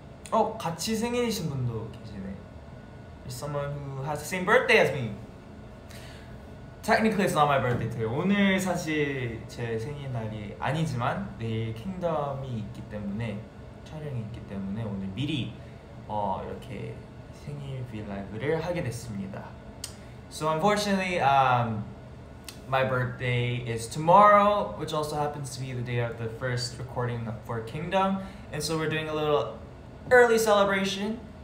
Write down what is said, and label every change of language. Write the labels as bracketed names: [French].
[Korean] 어, 같이 생일이신 분도 계시네. [English] Someone who has the same birthday as me. Technically, it's not my birthday today. [Korean] 오늘 사실 제 생일날이 아니지만 내일 킹덤이 있기 때문에 촬영이 있기 때문에 오늘 미리 어, 이렇게 생일 VLIVE를 하게 됐습니다. [English] So unfortunately, my birthday is tomorrow, which also happens to be the day of the first recording for Kingdom. And so we're doing a little early celebration.